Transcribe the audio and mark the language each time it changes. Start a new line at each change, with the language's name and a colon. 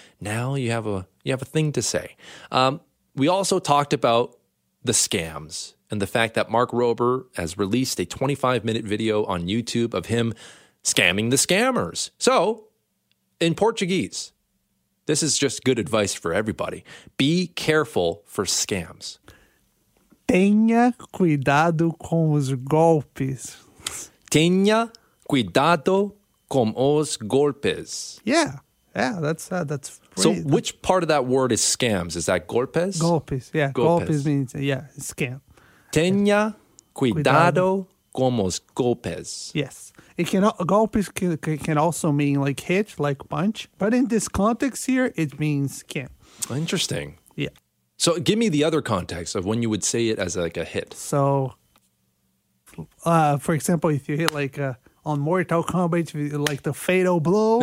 English: Now you have a thing to say. We also talked about the scams and the fact that Mark Rober has released a 25-minute video on YouTube of him scamming the scammers. So, in Portuguese, this is just good advice for everybody. Be careful for scams.
Portuguese: Tenha cuidado com os golpes. Tenha cuidado com os golpes.
English: Yeah, yeah, that's. Pretty, so, which part of that word is scams? Is that golpes? Golpes, yeah. Golpes means yeah, scam.
Portuguese: Tenha cuidado com os golpes.
English: Yes, it can. Golpes can also mean like hit, like punch, but in this context here, it means scam. Interesting. So give me the other context of when you would say it as like a hit. So, for example, if you hit like on Mortal Kombat, like the fatal blow.